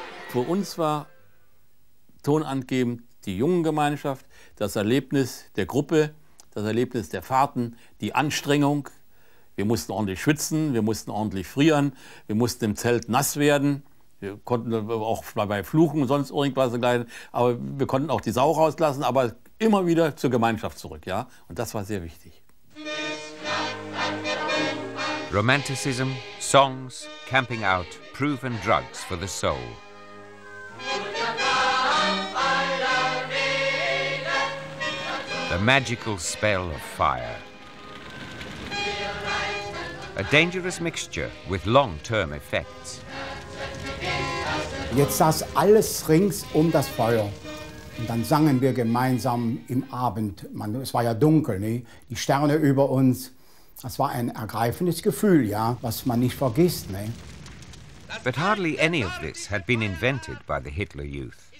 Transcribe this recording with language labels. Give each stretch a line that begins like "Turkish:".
German: Für uns war tonangebend die Jungengemeinschaft, das Erlebnis der Gruppe, das Erlebnis der Fahrten, die Anstrengung. Wir mussten ordentlich schwitzen, wir mussten ordentlich frieren, wir mussten im Zelt nass werden. Wir konnten auch bei Fluchen und sonst irgendwas begleiten, aber wir konnten auch die Sau rauslassen, aber immer wieder zur Gemeinschaft zurück. Ja? Und das war sehr wichtig.
English: Romanticism, songs, camping out, proven drugs for the soul. The magical spell of fire. A dangerous mixture with long-term effects.
German: Jetzt saß alles rings um das Feuer. Und dann sangen wir gemeinsam im Abend. Man, es war ja dunkel, ne? Die Sterne über uns. Das war ein ergreifendes Gefühl, ja, was man nicht vergisst, ne?
English: But hardly any of this had been invented by the Hitler Youth.